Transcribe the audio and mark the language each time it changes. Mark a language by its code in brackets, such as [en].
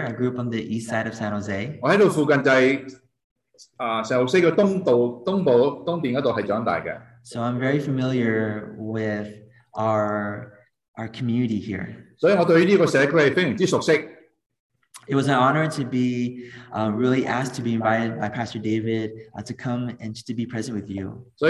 [en] I grew up on the east side of San Jose. [yue] 我喺度附近就係San Jose 嘅東邊嗰度係長大嘅。 [en] So I'm very familiar with our community here. [yue] 所以我對呢個社區係非常之熟悉。 [en] It was an honor to be really asked to be invited by Pastor David to come and to be present with you.